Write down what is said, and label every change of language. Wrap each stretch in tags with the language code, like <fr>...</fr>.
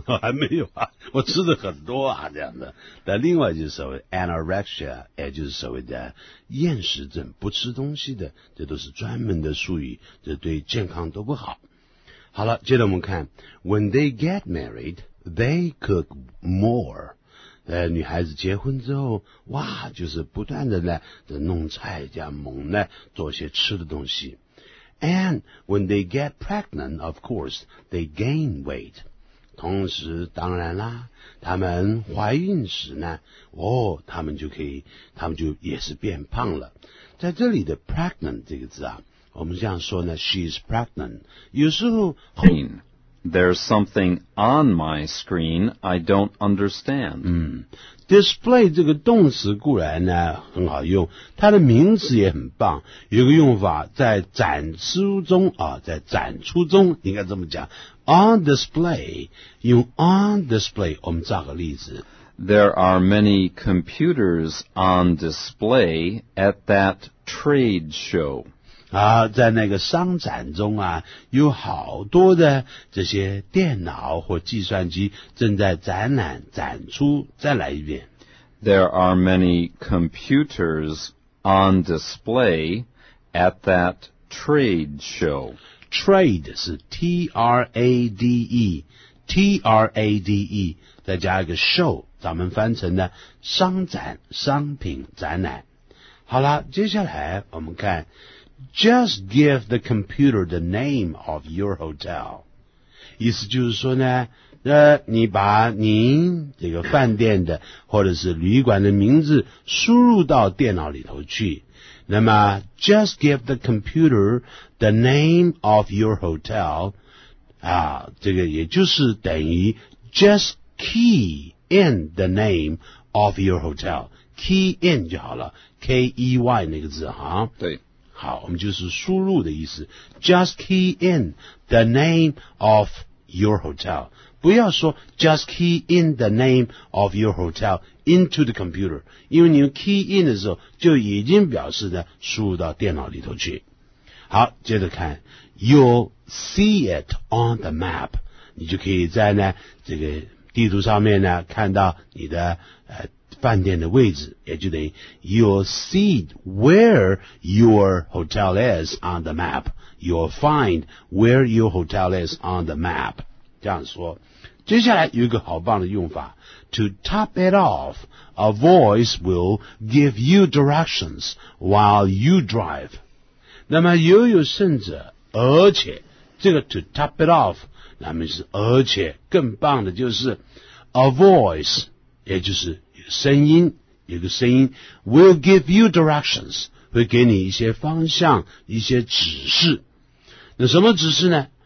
<zh>还没有啊，我吃的很多啊，这样的。但另外就是所谓 anorexia， 也就是所谓的厌食症，不吃东西的，这都是专门的术语，这对健康都不好。好了，接着我们看</zh> <en>，When they get married, they cook more。</en> <zh>女孩子结婚之后，哇，就是不断的呢在弄菜，加猛呢做些吃的东西。</zh> <en>And when they get pregnant, of course, they gain weight。</en> <zh>同时，当然啦，他们怀孕时呢，哦，他们就也是变胖了。在这里的 pregnant 这个字啊，我们这样说呢 ，</zh> <en>she's pregnant。</en> <zh>有时候</zh> <en>，There's something on my screen I don't understand。</en> <zh>Display 这个动词固然呢很好用，它的名词也很棒，有个用法在展出中啊，在展出中应该这么讲 ，on display， 用 on display， 我们造个例子。</zh> <en>There are many computers on display at that trade show。</en> <zh>啊，在那个商展中啊，有好多的这些电脑或计算机正在展览展出。再来一遍。</zh> <en>There are many computers on display at that trade show.</en> <zh>Trade 是 T-R-A-D-E, T-R-A-D-E, 再加一个 show, 咱们翻成的商展商品展览。好啦，接下来我们看</zh> <en>Just give the computer the name of your hotel.</en> <zh>意思就是说呢，你把您这个饭店的或者是旅馆的名字输入到电脑里头去。</zh> <en>那么 ，just give the computer the name of your hotel.</en> <zh>啊，这个也就是等于</zh> <en>just key in the name of your hotel.</en> <zh>Key in 就好了 ，K-E-Y 那个字哈。对。好，我们就是输入的意思。</zh> <en>Just key in the name of your hotel.</en> <zh>不要说</zh> <en>just key in the name of your hotel into the computer.</en> <zh>因为你用 key in 的时候就已经表示呢输入到电脑里头去。好，接着看</zh> <en>,You'll see it on the map.</en> <zh>你就可以在呢这个地图上面呢看到你的饭店的位置，也就等于</zh> <en>you'll see where your hotel is on the map. You'll find where your hotel is on the map.</en> <zh>这样说。接下来有一个好棒的用法。</zh> <en>To top it off, a voice will give you directions while you drive.</en> <zh>那么悠悠甚者，而且，这个</zh> <en>to top it off,</en> <zh>那么是而且，更棒的就是</zh> <en>a voice,</en> <zh>也就是声音，有个声音</zh> <en>will give you directions,</en> <zh>会给你一些方向，一些指示。那什么指示呢？</zh>